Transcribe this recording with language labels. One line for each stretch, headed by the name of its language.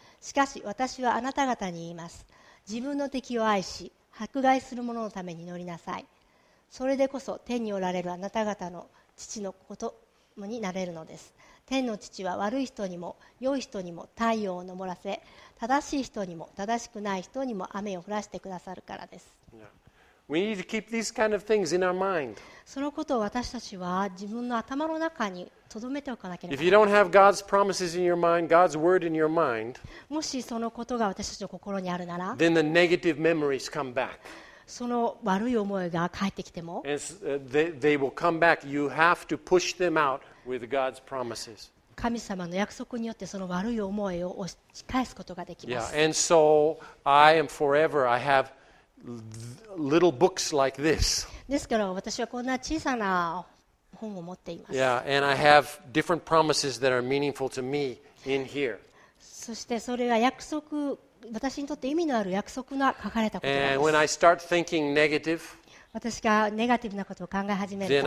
Japanese: しかし私はあなた方に言います。自分の敵を愛し、迫害する者のために祈りなさい。それでこそ天におられるあなた方の父の子供になれるのです。天の父は悪い人にも良い人にも太陽を昇らせ、正しい人にも正しくない人にも雨を降らせてくださるからです。
English: We need to keep these kind of things in our mind.
Japanese: そのことを私たちは自分の頭の中に留めておかなければ。
English: If you don't have God's promises in your mind, God's word in your mind,
Japanese: もしそのことが私たちの心にあるなら、
English: then the negative memories come back.
Japanese: その悪い思いが返ってきても、
English: they will come back. You have to push them out with God's promises.
Japanese: 神様の約束によってその悪い思いを押し返すことができます。
English: Yeah, and so I am forever. I have little books like this.
Japanese: ですから私はこんな小さな本を持っています。
English: Yeah, and I have different promises that are meaningful to me in here.
Japanese: そしてそれが約束私にとって意味のある約束が書かれたことです。
English: And when I start thinking negative,
Japanese: 私がネガティブなことを考え始めると